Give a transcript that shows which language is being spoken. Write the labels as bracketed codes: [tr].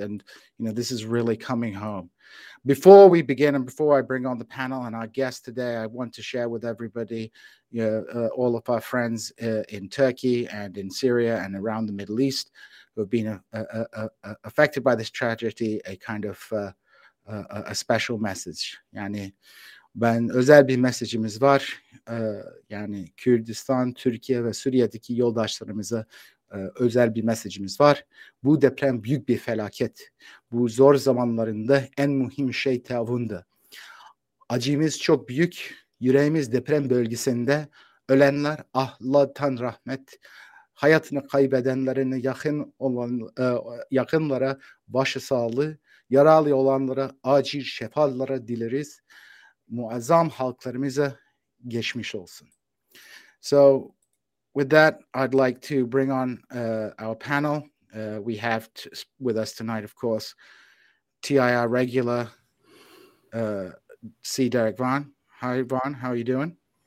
[en] And, you know, this is really coming home. Before we begin, and before I bring on the panel and our guest today, I want to share with everybody, all of our friends in Turkey and in Syria and around the Middle East who have been affected by this tragedy, a kind of a special message. [tr] Yani, ben özel bir mesajımız var. Yani Kürdistan, Türkiye ve Suriye'deki yoldaşlarımıza özel bir mesajımız var. Bu deprem büyük bir felaket. Bu zor zamanlarında en mühim şey teavundu. Acımız çok büyük. Yüreğimiz deprem bölgesinde ölenler, Allah'tan rahmet. Hayatını kaybedenlerine yakın olan yakınlara başı sağlığı, yaralı olanlara acil şifalar dileriz. Muazzam halklarımıza geçmiş olsun. [en] So with that, I'd like to bring on our panel. We have with us tonight, of course, TIR regular C. Derek Vaughn. Hi, Vaughn. How are you doing?